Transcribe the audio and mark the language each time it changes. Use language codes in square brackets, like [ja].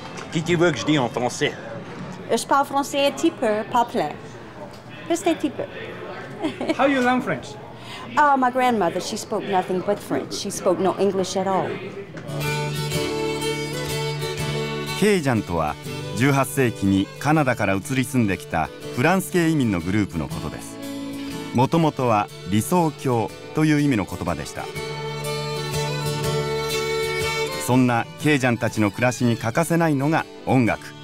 [fr] Qu'est-ce que tu veux que je dise en français? Je parle français un petit peu, pas plein. Juste un petit peu. [en] How you learn French? Oh, my grandmother, she spoke nothing but French. She spoke no English at all. [ja] ケージャンとは、18世紀にカナダから移り住んできたフランス系移民のグループのことです。もともとは理想郷という意味の言葉でした。そんなケージャンたちの暮らしに欠かせないのが音楽。